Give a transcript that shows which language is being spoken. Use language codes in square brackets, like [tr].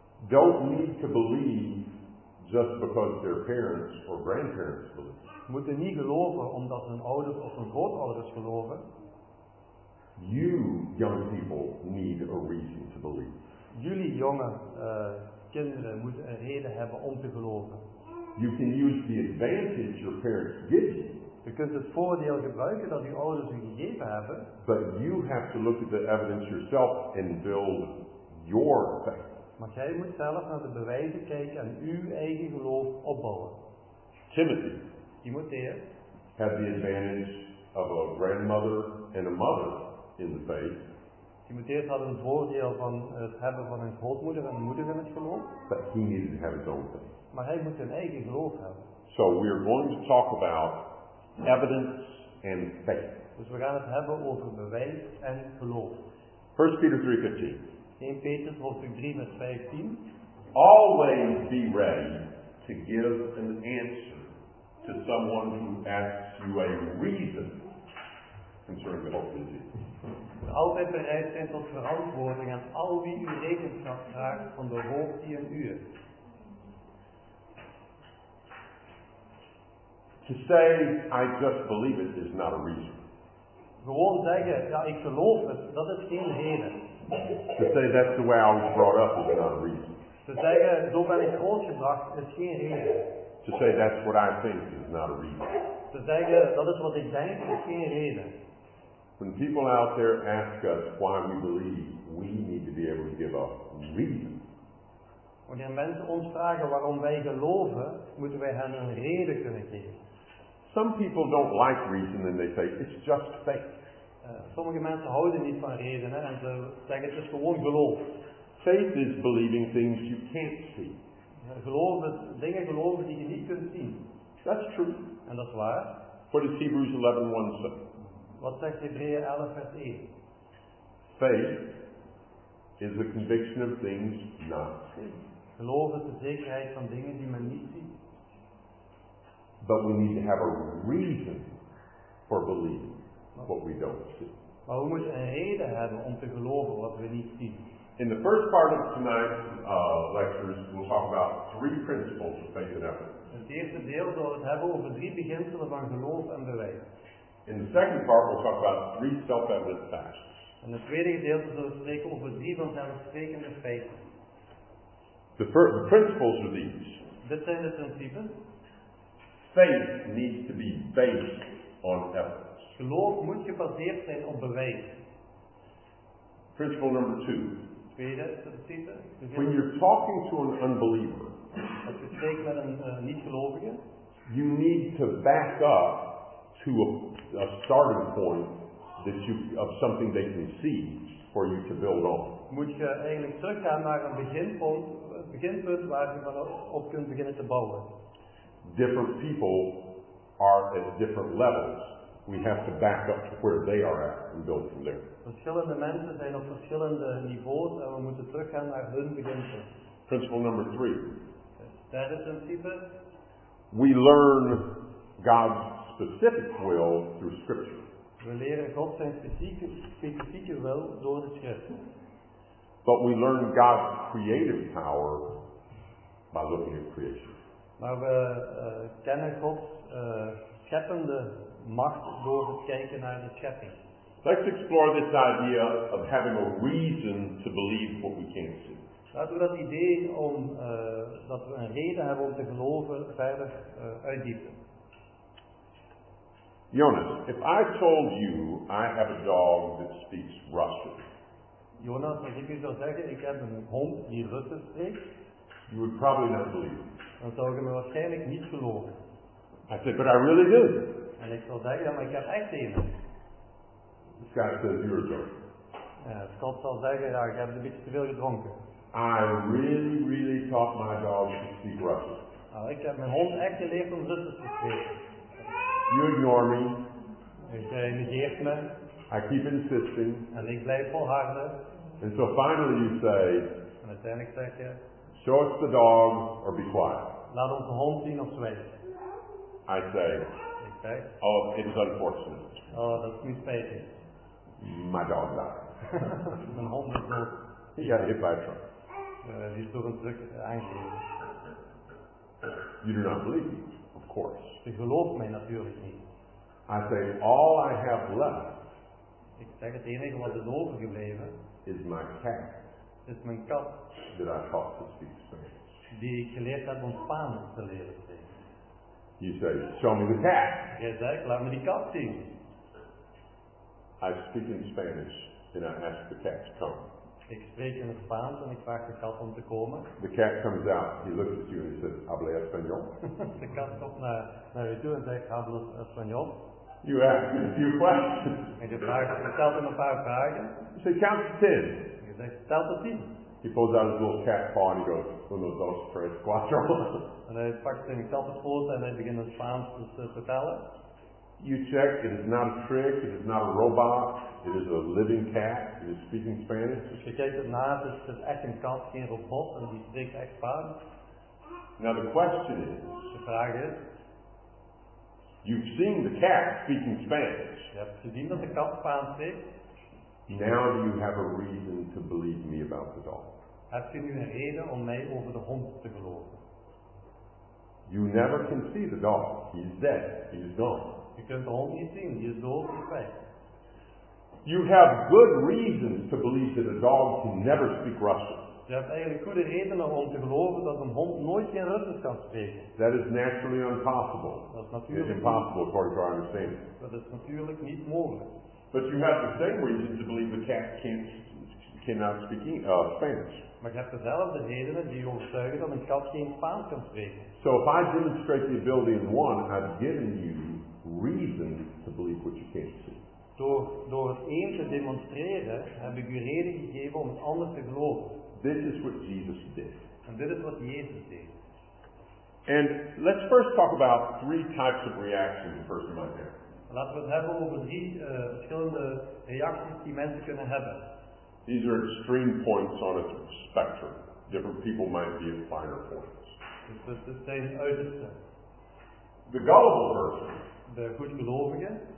[en] don't need to believe just because their parents or grandparents believe. [nl] Moeten niet geloven omdat hun ouders of hun grootouders geloven. [en] You young people need a reason to believe. [nl] Jullie jonge kinderen moeten een reden hebben om te geloven. [en] You can use the advantage your parents give you. [nl] Je kunt het voordeel gebruiken dat je ouders u gegeven hebben. [en] But you have to look at the evidence yourself and build your faith. [nl] Maar jij moet zelf naar de bewijzen kijken en uw eigen geloof opbouwen. [en] Timothy. [nl] Timotheus. [en] Had the advantage of a grandmother and a mother in the faith. [nl] Timotheus had een voordeel van het hebben van een grootmoeder en een moeder in het geloof. [en] But he needed to have his own faith. [nl] Maar hij moet zijn eigen geloof hebben. [en] So we are going to talk about evidence and faith. [nl] Dus we gaan het hebben over bewijs en geloof. [en] 1 Peter 3:15. [nl] 1 Peter hoofdstuk 3 vers 15. [en] Always be ready to give an answer to someone who asks you a reason concerning the hope of Jesus. [nl] Altijd bereid zijn tot verantwoording aan al wie u rekenschap vraagt van de hoop die in u is. [en] To say, I just believe it, is not a reason. [nl] Gewoon zeggen, ja, ik geloof het, dat is geen reden. [en] To say, that's the way I was brought up, is not a reason. [nl] Te zeggen, zo ben ik grootgebracht, is geen reden. [en] To say, that's what I think, is not a reason. [nl] Te zeggen, dat is wat ik denk, is geen reden. [en] When people out there ask us why we believe, we need to be able to give a reason. [nl] Wanneer mensen ons vragen waarom wij geloven, moeten wij hen een reden kunnen geven. [en] Some people don't like reason and they say it's just faith. [nl] Sommige mensen houden niet van redenen en ze zeggen het is gewoon geloof. [en] Faith is believing things you can't see. [nl] Dingen geloven die je niet kunt zien. [en] That's true. [nl] En dat is waar. [en] What does Hebrews 11:1 say? [nl] Wat zegt Hebreeën 11 vers 1? [en] Faith is the conviction of things not seen. [nl] Geloof is de zekerheid van dingen die men niet ziet. [en] But we need to have a reason for believing what we don't see. [nl] Maar we moeten een reden hebben om te geloven wat we niet zien. [en] In the first part of tonight's lectures, we'll talk about three principles of faith and evidence. [nl] In het eerste deel zullen we het hebben over drie beginselen van geloof en bewijs. [en] In the second part, we'll talk about three self-evident facts. [nl] In het tweede gedeelte zullen we spreken over drie vanzelfsprekende feiten. [en] The principles are these. [nl] Dit zijn de principes. [en] Faith needs to be based on evidence. [nl] Geloof moet gebaseerd zijn op bewijs. [en] Principle number two. [nl] Tweede principe. [en] When you're talking to an unbeliever, [nl] als je spreekt met een niet-gelovige, [en] you need to back up to a starting point that you of something they can see for you to build on. [nl] Moet je eigenlijk teruggaan naar een beginpunt waar je op kunt beginnen te bouwen. [en] Different people are at different levels. We have to back up to where they are at and build from there. [nl] Verschillende mensen zijn op verschillende niveaus en we moeten teruggaan naar hun beginpunt. [en] Principle number three. [nl] Dat is een principe. [en] We learn God's specific will through Scripture. [nl] We leren God zijn specifieke wil door de Schrift. [en] But we learn God's creative power by looking at creation. [nl] Maar we kennen God's scheppende macht door te kijken naar de schepping. [en] Let's explore this idea of having a reason to believe what we can't see. [nl] Laten we dat idee om dat we een reden hebben om te geloven verder uitdiepen. [en] Jonas, if I told you I have a dog that speaks Russian. [nl] Jonas, als ik u zou zeggen, ik heb een hond die Russisch spreekt. [en] You would probably not believe. [nl] Dan zou ik me waarschijnlijk niet geloven. [en] I said, but I really do. [nl] En ik zou zeggen, ja, maar ik heb echt een. [en] Scott says, you're a joke. [nl] Scott zal zeggen, ja, ik heb een beetje te veel gedronken. [en] I really, really taught my dog to speak Russian. [nl] Nou, ik heb mijn hond echt geleerd om Russisch te spreken. [en] You ignore me. [nl] Ik negeert me. [en] I keep insisting. [nl] En ik blijf volharden. [en] And so finally you say. [nl] En uiteindelijk zeg je. [en] Show us the dog or be quiet. [nl] Laat ons de hond zien of zwijgen. [en] I say. [nl] Ik zeg. [en] Oh, it was unfortunate. [nl] Oh, dat is niet spijtig. [en] My dog died. [nl] Mijn hond is dood. [en] He got hit by a truck. [nl] Die is door een truck aangereden. [en] You do not believe me, of course. [nl] Je gelooft mij natuurlijk niet. [en] I say, all I have left. [nl] Ik zeg het enige wat is overgebleven. [en] Is my cat. [nl] Is mijn kat. [en] That I taught to speak Spanish. [nl] Die ik geleerd heb om Spaans te leren spreken. [en] You say, show me the cat. [nl] Jij zegt, laat me die kat zien. [en] I speak in Spanish and I ask the cat to come. [nl] Ik spreek in het Spaans en ik vraag de kat om te komen. [en] The cat comes out, he looks at you and he says, [es] hablo español. [nl] De kat komt naar je toe en zegt, [es] hablo español. [en] You ask him a few questions. [nl] En je stelt hem een paar vragen. [en] You say, count to 10. [nl] Je zegt, tel tot 10. [en] He pulls out his little cat paw and he goes, [es] uno, dos, tres, cuatro. [nl] En hij pakt zijn kattenpoot en hij begint in Spaans te vertellen. [en] You check, it is not a trick, it is not a robot. It is a living cat. It is speaking Spanish. [nl] Je kijkt het na, dus het is echt een kat, geen robot, en die spreekt echt Spaans. [en] Now the question is. [nl] De vraag is. [en] You've seen the cat speaking Spanish. [nl] Je hebt gezien dat de kat Spaans spreekt. [en] Now do you have a reason to believe me about the dog? [nl] Heb je nu een reden om mij over de hond te geloven? [en] You never can see the dog. He's dead. He is gone. [nl] Je kunt de hond niet zien. Die is dood. Die is weg. [en] You have good reasons to believe that a dog can never speak Russian. [nl] Je hebt eigenlijk goede redenen om te geloven dat een hond nooit geen Russisch kan spreken. [en] That is naturally impossible. [nl] Dat is natuurlijk [en] impossible, according to our understanding. [nl] Dat is natuurlijk niet mogelijk. [en] But you have the same reason to believe a cat cannot speak Spanish. [nl] Maar je hebt dezelfde redenen die je overtuigen dat een kat geen Spaans kan spreken. [en] So if I demonstrate the ability in one, I've given you reason to believe what you can't see. [nl] Door het één te demonstreren, heb ik u reden gegeven om het ander te geloven. [en] This is what Jesus did. [nl] En dit is wat Jezus deed. [en] And let's first talk about three types of reactions a person might have. [nl] Laten we het hebben over drie verschillende reacties die mensen kunnen hebben. [en] These are extreme points on a spectrum. Different people might be at finer points. [nl] Dus zijn uiterste. [en] The gullible person. [nl] De goedgelovige.